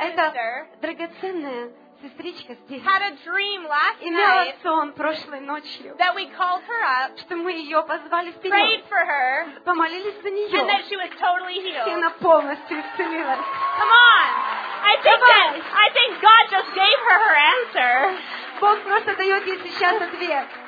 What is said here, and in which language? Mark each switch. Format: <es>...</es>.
<ru>Эта драгоценная сестричка здесь.</ru> <en>Had a dream last night.</en> <ru>Имела сон прошлой ночью.</ru> <en>That we called her up.</en> <ru>Что мы ее позвали вперед.</ru> <en>Prayed for her.</en> <ru>Помолились за нее.</ru> <en>And that she was totally healed.</en> <ru>И она полностью исцелилась.</ru> <en>Come on. I think God just gave her her answer.</en> <ru>Бог просто дает ей сейчас ответ.</ru>